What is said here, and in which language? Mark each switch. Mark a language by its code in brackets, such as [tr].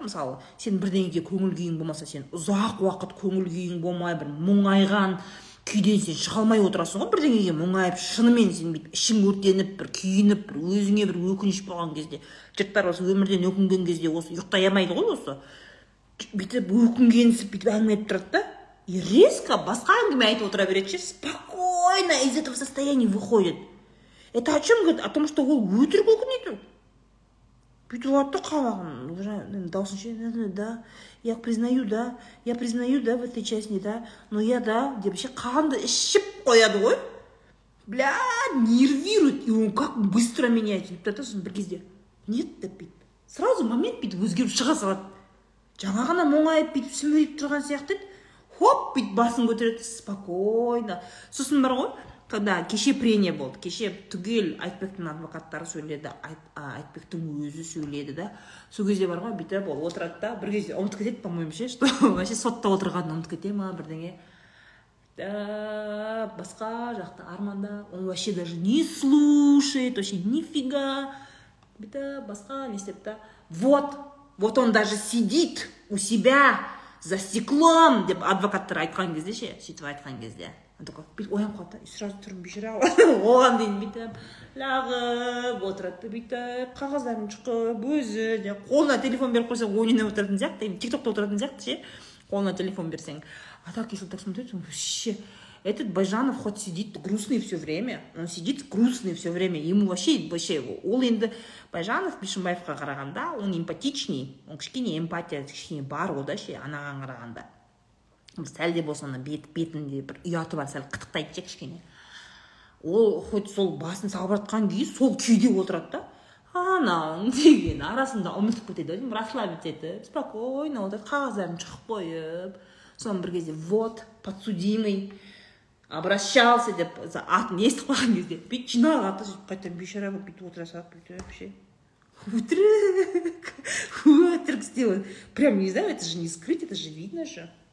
[kk] Мысалы, сен бір деңгейге көңіл күйің болмаса, сен ұзақ уақыт көңіл күйің болмай, бір мұңайған күйден сен шыға алмай отырасың ғой, бір деңгейге мұңайып, шынымен сен бір ішің өртеніп, бір күйініп, бір өзіңе бір өкініш болған кезде, жұрттар осы өмірден өкінген кезде осы ұйықтай алмайды ғой осы. Бүйтіп өкінгенсіп, бүйтіп әңгіме айтып тұрады да. И резко басқа әңгіме айтып отыра береді, [ru] спокойно из этого состояния выходит. Это о чем говорит? О том, что [kk] ол өтірік өкінеді. Бүйтіп алады да қабағын, [ru] уже [kk] даусын шығарады, [ru] да, я признаю, да, я признаю, да, в этой части, да, но я, да, [kk] деп ше қанды ішіп қояды ғой. [ru] Бля, нервирует, и он как быстро меняется. [kk] Деп тұрасың бір кезде, нет, деп бүйтіп, [ru] сразу момент [kk] бүйтіп өзгеріп шыға салады. Жаңа ғана мұңайып бүйтіп сүмірейіп тұрған сияқты, хоп, бүйтіп басын көтереді, спокойно. Сосын бар ғой, когда кеше прения болды, кеше түгел Айтбектің адвокаттары сөйледі, Айтбектің өзі сөйледі да. Сол кезде бар ғой, бүйтіп ол отырады да, бір кезде ұмытып кетеді, по-моему, ше, [ru] что вообще [kk] сотта отырғанын ұмытып кете ма, бірдеңе. Басқа жақта арманда, [ru] он вообще даже не слушает, вообще нифига. [kk] Бүйтіп басқа не істеп та. [ru] Вот, вот он даже сидит у себя за стеклом, [kk] деп адвокаттар айтқан кезде ше, сөйтіп айтқан кезде. Такой, оянып қалды да, сразу тұрып бишарау, оған дейін бүйтіп лағып отырады, бүйтіп қағаздарын шығып өзі қолына телефон беріп қойсаң ойнап отыратын сияқты, тиктокта отыратын сияқты ше, қолына телефон берсең. [ru] А так если так смотреть, вообще этот Байжанов хоть сидит грустный все время, он сидит грустный все время, ему вообще, [kk] вообще ол енді Байжанов Бишімбаевқа қарағанда [ru] он эмпатичный, [kk] он кішкене эмпатия кішкене бар ол да ше, анаған қарағанда. Сәл де болса бетінде бір ұяты бар, сәл қытықтайды ше кішкене. Ол хоть сол басын салбыратқан күйі сол күйде отырады да, анаң деген арасында ұмытып кетеді ғой, расслабиться етіп спокойно отырады, қағаздарын шығып қойып, соның бір кезде [ru] вот подсудимый обращался [kk] деп атын естіп қалған кезде бүйтіп жиналған да, сөйтіп қайтадан бейшара болып бүйтіп отыра салады, бүйтіп ше өтірік өтірік істеп, [ru] прям не знаю, это же не скрыть, это же видно же.